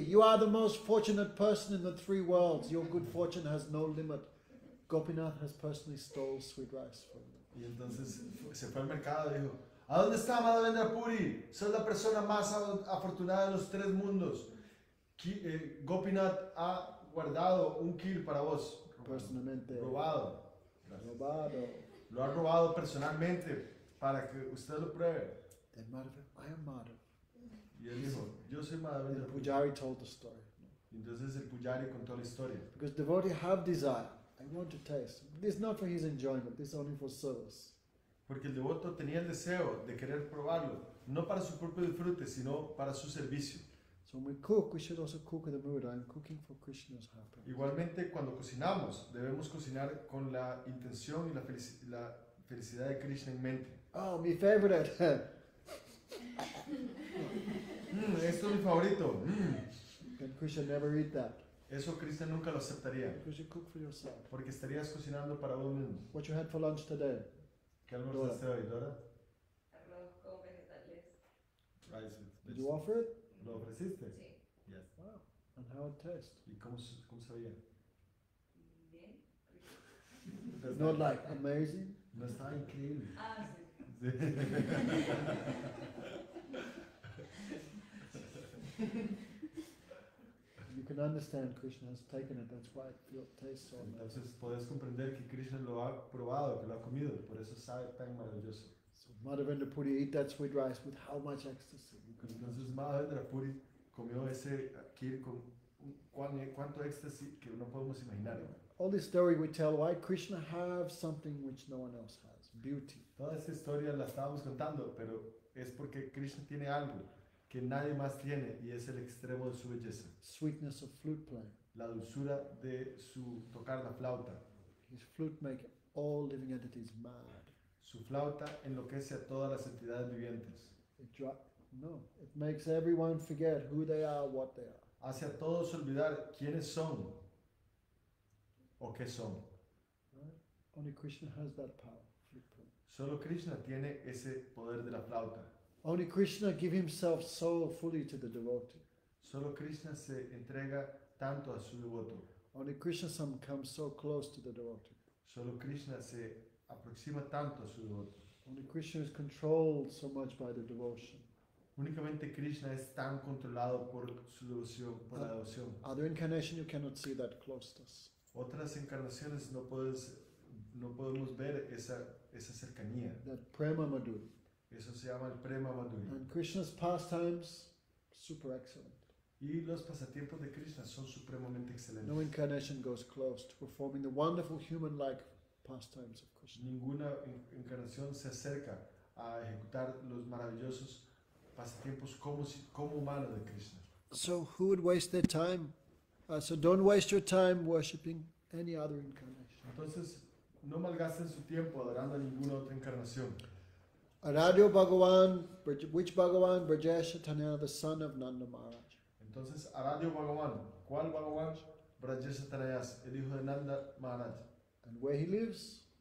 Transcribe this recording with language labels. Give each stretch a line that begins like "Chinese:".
English: You are the most fortunate person in the three worlds. Your good fortune has no limit. Gopinath has personally stole sweet rice from you.
Spanish: Y entonces se fue al mercado y dijo, ¿a dónde está Madhavendra Puri? Soy la persona más afortunada en los tres mundos. Gopinath ha guardado un kil para vos. Personalmente. Robado. Robado. Lo ha robado personalmente para que usted lo pruebe.
English: Then Madhavendra, I am Madhav.
Spanish: Y él dijo, yo soy Madhavendra.
English: The pujari told the story.
Spanish: Entonces el pujari contó la historia.
English: Because devotee have desire, I want to taste. This is not for his enjoyment. This is only for service.
Spanish: Porque el devoto tenía el deseo de querer probarlo, no para su propio disfrute, sino para su servicio.
English: So when we cook, we should also cook with the mood. I'm cooking for Krishna's happiness.
Spanish: Igualmente, cuando cocinamos, debemos cocinar con la intención y la, la felicidad de Krishna en mente.
English: Oh, my favorite.
Spanish: esto es mi favorito.
English: Then Krishna never eat that.
Spanish: Eso Krishna nunca lo aceptaría.
English: Because you cook for yourself.
Spanish: Porque estarías cocinando para vos mismo.
English: What you had for lunch today?
Spanish: ¿Qué almorzaste hoy, Dora? Arroz con vegetales.
English: Rice with vegetables. Did you offer it?
Spanish: ¿Lo ofreciste? Sí.
English: Yes. Wow. And how it tastes?
Spanish: ¿Y cómo sabía? Bien.
English: It's not like amazing.
Spanish: No está increíble. Ah, sí. Sí.
English: You can understand Krishna has taken it, that's why it tastes so nice.
Spanish: Entonces puedes comprender que Krishna lo ha probado, que lo ha comido, por eso sabe tan maravilloso.
English: So Madhavendra Puri ate that sweet rice with how much ecstasy?
Spanish: Entonces Madhavendra Puri comió ese kheer con cuánto ecstasy que no podemos imaginar.
English: All this story we tell, why Krishna have something which no one else has, beauty.
Spanish: Toda esa historia la estábamos contando, pero es porque Krishna tiene algo que nadie más tiene y es el extremo de su belleza.
English: Sweetness of flute playing.
Spanish: La dulzura de su tocar la flauta.
English: His flute makes all living entities mad.
Spanish: Su flauta enloquece a todas las entidades vivientes.
English: It makes everyone forget who they are, what they are.
Spanish: Hace a todos olvidar quiénes son o qué son.
English: Right? Only Krishna has that power, flute playing.
Spanish: Solo Krishna tiene ese poder de la flauta.
English: Only Krishna give himself so fully to the devotee.
Spanish: Solo Krishna se entrega tanto a su devoto.
English: Only Krishna comes so close to the devotee.
Spanish: Solo Krishna se aproxima tanto a su devoto.
English: Only Krishna is controlled so much by the devotion.
Spanish: Únicamente Krishna es tan controlado por su devoción, por la devoción.
English: Other incarnation you cannot see that closeness.
Spanish: Otras encarnaciones no podemos ver esa cercanía.
English: That prema madhuri.
Spanish: Eso se llama el prema madhuri.
English: And Krishna's pastimes, super excellent.
Spanish: Y los pasatiempos de Krishna son supremamente excelentes.
English: No incarnation goes close to performing the wonderful human-like pastimes of Krishna.
Spanish: Ninguna encarnación se acerca a ejecutar los maravillosos pasatiempos como humano de Krishna.
English: So who would waste their time? So don't waste your time worshipping any other incarnation.
Spanish: Entonces, no malgasten su tiempo adorando a ninguna otra encarnación.
English: Radio Bhagavan, which Bhagavan? Brajesh Chaitanya, the son of Nanda Maharaj.
Spanish: Entonces, Radio Bhagavan, ¿cuál Bhagavan? Brajesh Chaitanya, el hijo de Nanda Maharaj.
English: And where he lives?